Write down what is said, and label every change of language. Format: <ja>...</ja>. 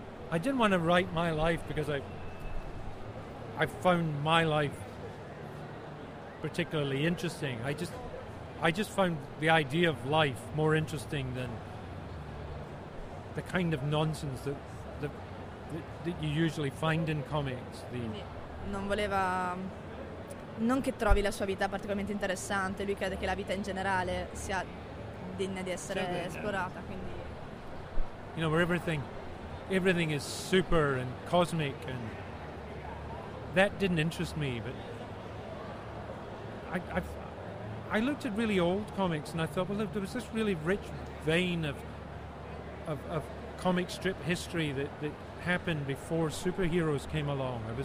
<en>I didn't want to write my life because I found my life particularly interesting. I just found the idea of life more interesting than the kind of nonsense that you usually find in comics.</en> <it>Non che trovi la sua vita particolarmente interessante, lui crede che la vita in generale sia degna di essere esplorata, quindi.</it> <en>You know, where everything is super and cosmic, and that didn't interest me, but I looked at really old comics and I thought, well, there was this really rich vein of comic strip history that happened before superheroes came along.</en>